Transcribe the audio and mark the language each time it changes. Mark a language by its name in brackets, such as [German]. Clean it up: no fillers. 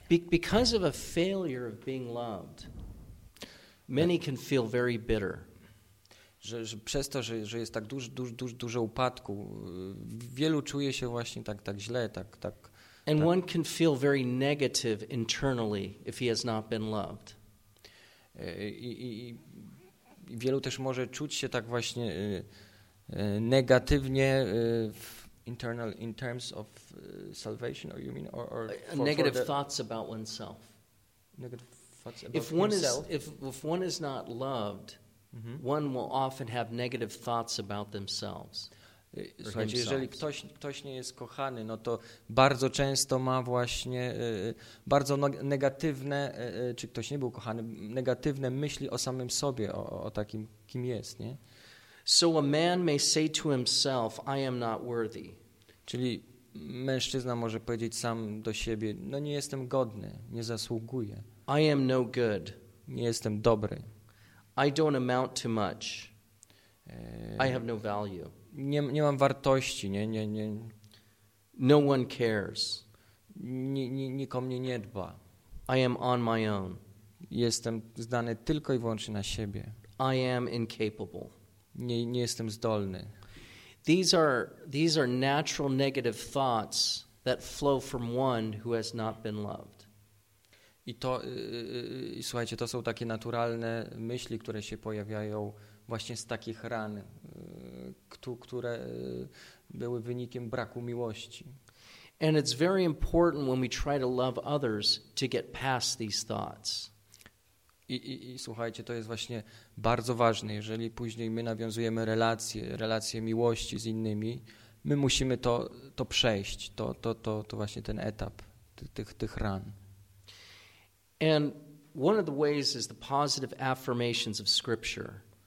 [English] Because of a failure of being loved, many can feel very bitter. [Polish] Że przez to, że jest tak dużo upadku, wielu czuje się właśnie tak źle, tak. [English] And one can feel very negative internally if he has not been loved. [Polish] I wielu też może czuć się tak właśnie negatywnie [English] internal in terms of salvation, or you mean, or negative thoughts about oneself. Negative If one is not loved, mm-hmm. one will often have negative thoughts about themselves. [Polish] Słuchajcie, jeżeli ktoś nie jest kochany, no to bardzo często ma właśnie bardzo negatywne, czy ktoś nie był kochany, negatywne myśli o samym sobie, o takim, kim jest, nie? [English] So a man may say to himself, I am not worthy. [Polish] Czyli mężczyzna może powiedzieć sam do siebie, no nie jestem godny, nie zasługuję. [English] I am no good. [Polish] Nie jestem dobry. [English] I don't amount to much. I have no value. [Polish] Nie mam wartości, nie. [English] No one cares. [Polish] Nikt o mnie nie dba. [English] I am on my own. [Polish] Jestem zdany tylko i wyłącznie na siebie. [English] I am incapable. [Polish] Nie jestem zdolny. [English] These are natural negative thoughts that flow from one who has not been loved. [Polish] I to, słuchajcie, to są takie naturalne myśli, które się pojawiają właśnie z takich ran, które były wynikiem braku miłości. [English] And it's very important when we try to love others to get past these thoughts. [Polish] I słuchajcie, to jest właśnie bardzo ważne, jeżeli później my nawiązujemy relacje miłości z innymi, my musimy to przejść, to właśnie ten etap tych ran. [English] And one of the ways is the positive affirmations of scripture.